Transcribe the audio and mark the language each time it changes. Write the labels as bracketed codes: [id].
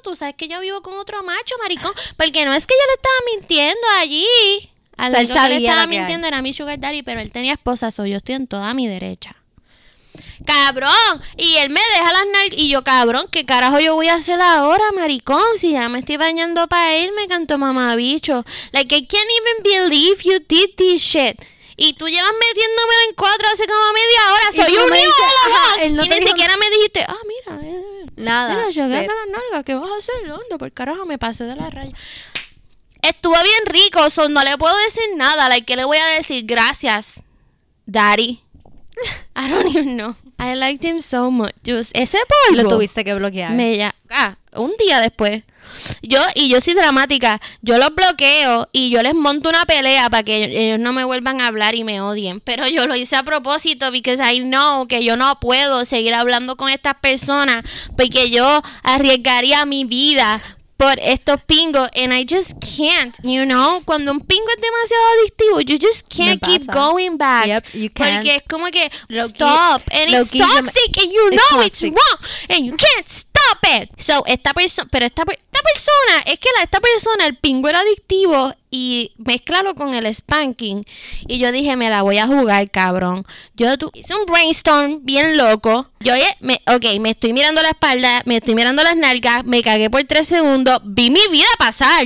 [es] Tú sabes que yo vivo con otro macho, maricón. Porque no es que yo le estaba mintiendo allí. Al único que le estaba mintiendo era mi sugar daddy, pero él tenía esposa, soy yo, estoy en toda mi derecha. ¡Cabrón! Y él me deja las nalgas. Y yo, cabrón, ¿qué carajo yo voy a hacer ahora, maricón? Si ya me estoy bañando para irme, canto mamabicho. [en] Like, I can't even believe you did this shit. [es] Y tú llevas metiéndomelo en cuatro hace como media hora. Soy un niño, no. Y ni siquiera me dijiste, ah, mira. Nada. Mira, yo agarro las nalgas. ¿Qué vas a hacer? ¿Dónde? Por carajo, me pasé de la raya. Estuvo bien rico. So, no le puedo decir nada. Like, ¿qué le voy a decir? Gracias, [en] daddy. I don't even know. I liked him so much. Just, [es] ese polvo. Lo tuviste que bloquear. Un día después. Yo soy dramática. Yo los bloqueo y yo les monto una pelea para que ellos no me vuelvan a hablar y me odien. Pero yo lo hice a propósito [en] because I know [es] que yo no puedo seguir hablando con estas personas porque yo arriesgaría mi vida por estos pingos. [en] And I just can't, you know, [es] cuando un pingo es demasiado adictivo, [en] you just can't keep going back. Yep, you can't. [es] Porque es como que stop. [en] And it's toxic and you know it's wrong and you can't stop it. [es] So esta persona, el pingo era adictivo y mezclalo con el spanking. Y yo dije, me la voy a jugar, cabrón. Hice un brainstorm bien loco. Me estoy mirando la espalda, me estoy mirando las nalgas, me cagué por 3 segundos, vi mi vida pasar.